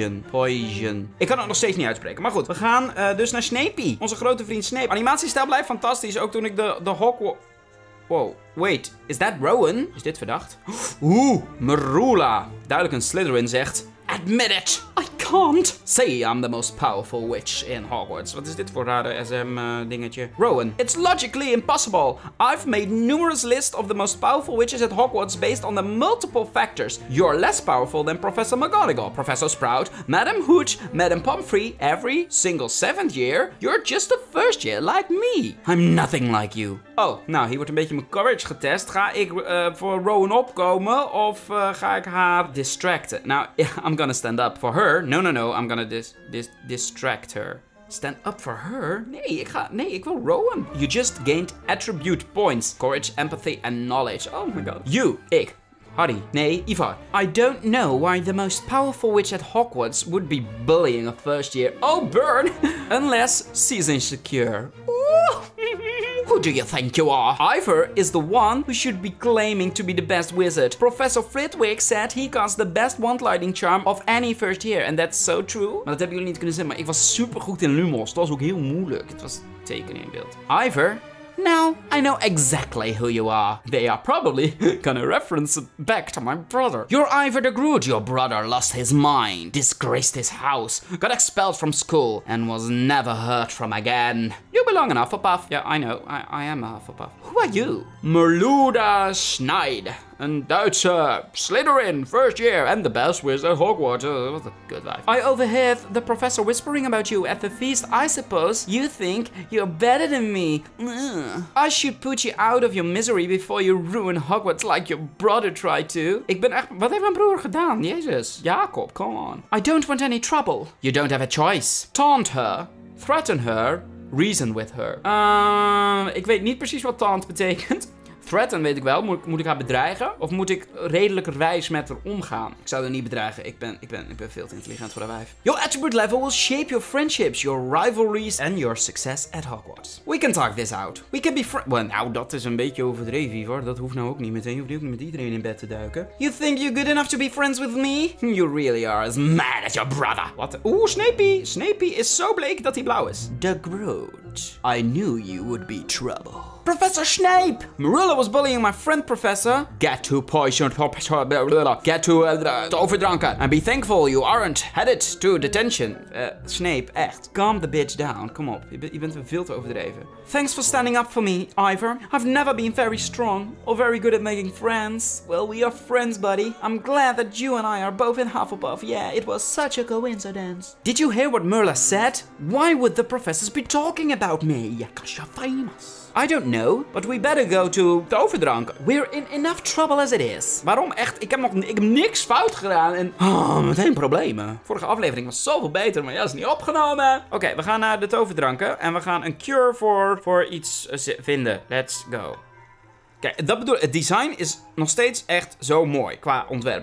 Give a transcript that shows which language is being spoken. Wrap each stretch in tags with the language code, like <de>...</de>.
<nl>Poison. Ik kan het nog steeds niet uitspreken. Maar goed, we gaan dus naar Snape. Onze grote vriend Snape. Animatiestijl blijft fantastisch. Ook toen ik de Hogwarts...</nl> <en>Wow, wait. Is that Rowan?</en> <nl>Is dit verdacht? Oeh, Merula. Duidelijk een Slytherin zegt...</nl> <en>Admit it. I can't. Say I'm the most powerful witch in Hogwarts.</en> <nl>Wat is dit voor rare SM dingetje?</nl> <en>Rowan. It's logically impossible. I've made numerous lists of the most powerful witches at Hogwarts based on the multiple factors. You're less powerful than Professor McGonagall, Professor Sprout, Madame Hooch, Madame Pomfrey, every single seventh year. You're just a first year like me. I'm nothing like you.</en> <nl>Oh, nou, hier wordt een beetje mijn courage getest. Ga ik voor Rowan opkomen of ga ik haar distracten?</nl> <en>Nou, I'm gonna stand up for her. No, I'm gonna distract her. Stand up for her?</en> <nl>Nee, ik wil Rowan.</nl> <en>You just gained attribute points. Courage, empathy and knowledge. Oh my god. You, ik. Harry. Nee, Yvar. I don't know why the most powerful witch at Hogwarts would be bullying a first year. Oh, burn! Unless she's insecure. Ooh. Who do you think you are? Ivor is the one who should be claiming to be the best wizard. Professor Flitwick said he casts the best wand lighting charm of any first year. And that's so true.</en> <nl>Maar dat hebben jullie niet kunnen zien, maar ik was super goed in Lumos. Het was ook heel moeilijk. Het was tekenen in beeld. Ivor?</nl> <en>Now I know exactly who you are. They are probably gonna reference back to my brother. You're Ivar the Groot. Your brother lost his mind, disgraced his house, got expelled from school, and was never heard from again. You belong in Hufflepuff. Yeah, I know. I am a Hufflepuff. Who are you? Merluda Schneid. And Duitse, Slytherin, first year, and the best wizard, Hogwarts. It was a good life. I overheard the professor whispering about you at the feast. I suppose you think you're better than me. Ugh. I should put you out of your misery before you ruin Hogwarts like your brother tried to.</en> <nl>Ik ben echt... Wat heeft mijn broer gedaan? Jezus.</nl> <en>Jacob, come on. I don't want any trouble. You don't have a choice. Taunt her. Threaten her. Reason with her.</en> <nl>Ik weet niet precies wat taunt betekent. Threaten weet ik wel. Moet ik haar bedreigen? Of moet ik redelijkerwijs met haar omgaan? Ik zou haar niet bedreigen. Ik ben veel te intelligent voor haar wijf.</nl> <en>Your attribute level will shape your friendships, your rivalries and your success at Hogwarts. We can talk this out. We can be friends.</en> <nl>Well, nou, dat is een beetje overdreven, Yvar. Dat hoeft nou ook niet meteen. Je hoeft ook niet met iedereen in bed te duiken.</nl> <en>You think you're good enough to be friends with me? You really are as mad as your brother. What? Oeh, Snapey.</en> <nl>Snapey is zo bleek dat hij blauw is.</nl> <en>The Groot. I knew you would be trouble. Professor Snape! Marilla was bullying my friend, Professor. Get to poison, get to toverdranken. And be thankful you aren't headed to detention.</en> <nl>Snape, echt.</nl> <en>Calm the bitch down. Come on,</en> <nl>je bent veel te overdreven.</nl> <en>Thanks for standing up for me, Ivar. I've never been very strong or very good at making friends. Well, we are friends, buddy. I'm glad that you and I are both in Hufflepuff. Yeah, it was such a coincidence. Did you hear what Merla said? Why would the professors be talking about me? Because you're famous. I don't know, but we better go to</en> <nl>toverdranken.</nl> <en>We're in enough trouble as it is.</en> <nl>Waarom echt? Ik heb niks fout gedaan en... meteen problemen. Vorige aflevering was zoveel beter, maar jij is niet opgenomen. Oké, we gaan naar de toverdranken en we gaan een cure voor iets vinden.</nl> <en>Let's go.</en> <nl>Kijk, dat bedoel ik, het design is nog steeds echt zo mooi qua ontwerp.</nl>